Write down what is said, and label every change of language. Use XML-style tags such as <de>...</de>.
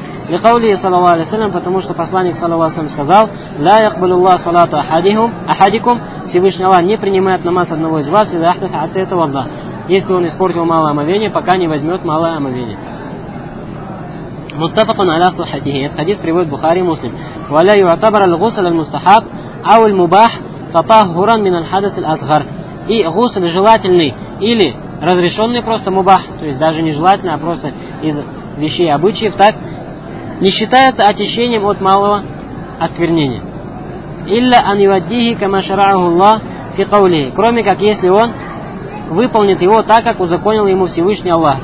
<ar>لقوله صلى الله عليه وسلم,</ar> <ru>потому что посланник صلى الله عليه وسلم сказал:</ru> <ar>لا يقبل الله صلاة أحدكم,</ar> <ru>Всевышний Аллах не принимает намаз одного из вас,</ru> <ar>إذا أحدث حتى يتوضأ,</ar> <ru>если он испортил малое омовение, пока не возьмет малое омовение.</ru> <ar>متفق على صحته.</ar> <ru>Этот хадис приводит Бухари и Муслим.</ru> <ar>ولا يعتبر الغسل المستحب أو المباح تطهرا من الحدث الأصغر.</ar> <ru>И гусль желательный или разрешенный, просто мубах, то есть даже нежелательно, а просто из вещей обычаев, так не считается очищением от малого осквернения.</ru> <ar>Илля ан юаддихи кама шараху Аллах фи каулихи,</ar> <ru>кроме как если он выполнит его так, как узаконил ему Всевышний Аллах.</ru>